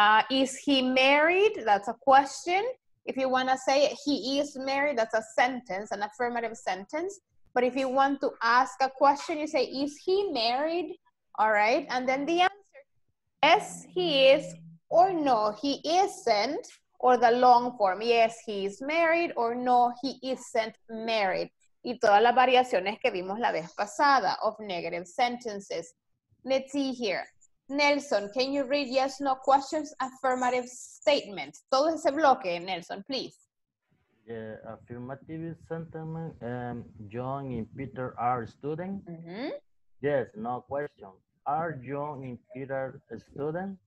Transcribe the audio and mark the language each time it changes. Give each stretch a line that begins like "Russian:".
English: Is he married? That's a question. If you want to say he is married, that's a sentence, an affirmative sentence. But if you want to ask a question, you say, is he married? All right. And then the answer, yes, he is, or no, he isn't, or the long form, yes, he is married, or no, he isn't married.
Spanish: Y todas las variaciones que vimos la vez pasada
English: of negative sentences. Let's see here. Nelson, can you read yes, no questions, affirmative statements?
Spanish: Todo ese bloque, Nelson,
English: please. Yeah, affirmative sentiment. John and Peter are students. Mm-hmm. Yes, no question. Are John and Peter a student?